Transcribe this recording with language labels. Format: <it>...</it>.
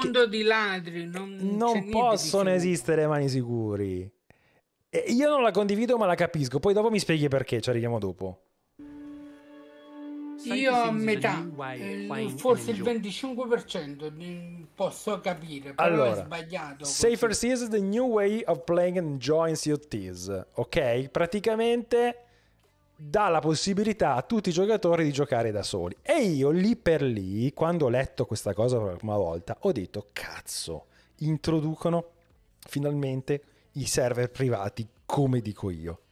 <it>mondo di ladri non c'è Non niente di possono sicuro. esistere mari sicuri. Io non la condivido, ma la capisco. Poi dopo mi spieghi perché. Ci arriviamo dopo. Io a metà, forse il 25% posso capire, però allora, è sbagliato.</it> <en>Safer Seas is the new way of playing and enjoying COTs, ok?</en> <it>Praticamente dà la possibilità a tutti i giocatori di giocare da soli. E io lì per lì, quando ho letto questa cosa per la prima volta, ho detto, cazzo, introducono finalmente i server privati come dico io.</it>